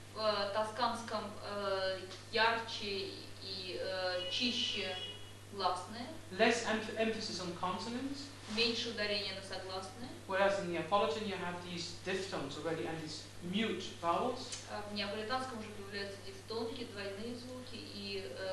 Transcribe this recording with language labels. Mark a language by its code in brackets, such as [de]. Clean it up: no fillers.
[ru] В тосканском ярче и чище гласные. [en] Less emphasis on consonants. [ru] Меньше ударения на согласные. [en] Whereas in Neapolitan you have these diphthongs already and these mute vowels. [ru] В неаполитанском уже появляются дифтонги, двойные звуки и